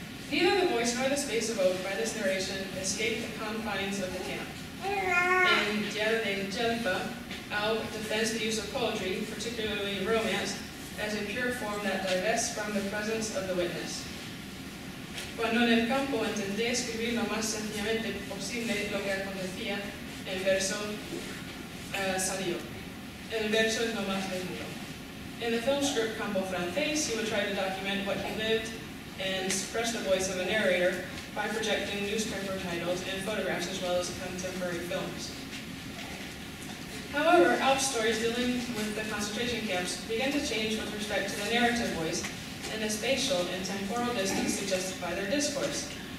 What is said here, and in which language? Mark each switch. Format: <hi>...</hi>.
<en>Neither the voice nor the space evoked by this narration escaped the confines of the camp. In Diario de Jelpa, Au defends the use of poetry, particularly romance, as a pure form that divests from the presence of the witness.</en> <es>Cuando en el campo intenté escribir lo más sencillamente posible lo que acontecía, el verso salió. El verso es lo más desnudo.</es> <en>In the film script Campo Francés, he would try to document what he lived and suppress the voice of a narrator by projecting newspaper titles and photographs as well as contemporary films. However, our stories dealing with the concentration camps began to change with respect to the narrative voice and the spatial and temporal distance to justify their discourse.</en>